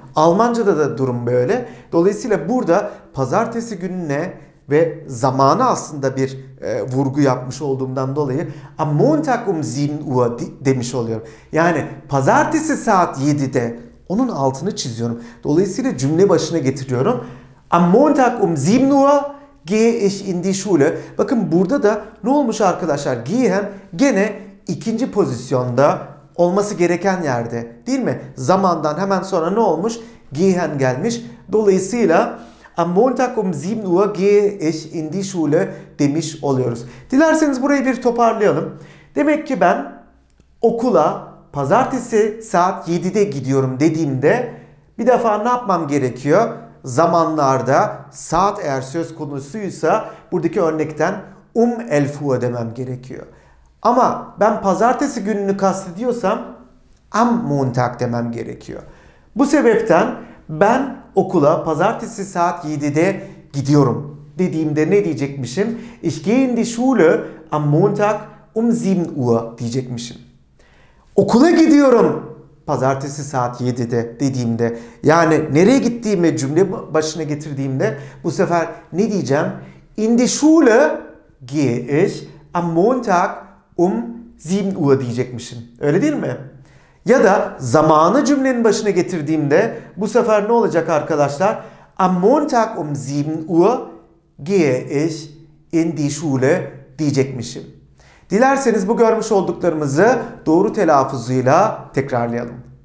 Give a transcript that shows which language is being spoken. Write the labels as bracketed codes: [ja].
[tr] Almanca'da da durum böyle. Dolayısıyla burada pazartesi gününe ve zamanı aslında bir vurgu yapmış olduğumdan dolayı [de] am Montag um 7 Uhr [tr] demiş oluyorum. Yani pazartesi saat 7'de onun altını çiziyorum. Dolayısıyla cümle başına getiriyorum. [de] Am Montag um 7 Uhr gehe ich in die Schule. [tr] Bakın burada da ne olmuş arkadaşlar? Gehen gene ikinci pozisyonda olması gereken yerde. Değil mi? Zamandan hemen sonra ne olmuş? Gehen gelmiş. Dolayısıyla [de] am Montag um 7 Uhr gehe ich in die Schule [tr] demiş oluyoruz. Dilerseniz burayı bir toparlayalım. Demek ki ben okula pazartesi saat 7'de gidiyorum dediğimde bir defa ne yapmam gerekiyor? Zamanlarda saat eğer söz konusuysa buradaki örnekten [de] elf Uhr [tr] demem gerekiyor. Ama ben pazartesi gününü kastediyorsam am Montag demem gerekiyor. Bu sebepten ben okula pazartesi saat 7'de gidiyorum dediğimde ne diyecekmişim? [de] Ich gehe in die Schule am Montag 7 Uhr [tr] diyecekmişim. Okula gidiyorum pazartesi saat 7'de dediğimde, yani nereye gittiğimi cümle başına getirdiğimde bu sefer ne diyeceğim? [de] In die Schule gehe ich am Montag 7 Uhr [tr] diyecekmişim. Öyle değil mi? Ya da zamanı cümlenin başına getirdiğimde bu sefer ne olacak arkadaşlar? [de] Am Montag 7 Uhr gehe ich in die Schule [tr] diyecekmişim. Dilerseniz bu görmüş olduklarımızı doğru telaffuzuyla tekrarlayalım.